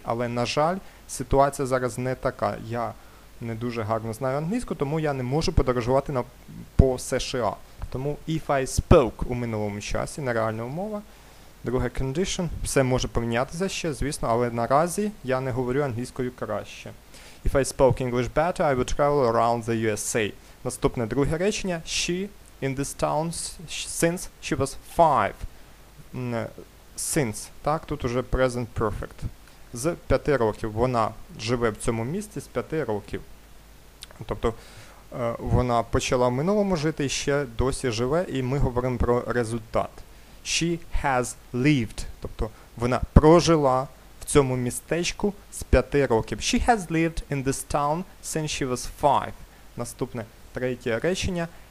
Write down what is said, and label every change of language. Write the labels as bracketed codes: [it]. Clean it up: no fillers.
[uk] Але, на жаль, ситуація зараз не така. Я не дуже гарно знаю англійську, тому я не можу подорожувати по США. Тому [en] if I spoke [uk] у минулому часі, нереальна умова. Друге condition. Все може помінятися ще, звісно, але наразі я не говорю англійською краще. [en] If I spoke English better, I would travel around the USA. [uk] Наступне друге речення. [en] She in this town since she was 5. Since. [uk] Так, тут уже present perfect. З 5 років. Вона живе в цьому місті з 5 років. Тобто, вона почала в минулому жити і ще досі живе, і ми говоримо про результат. [en] She has lived. [uk] Тобто, вона прожила в цьому містечку з 5 років. [en] She has lived in this town since she was 5. [uk] Наступне, третє речення.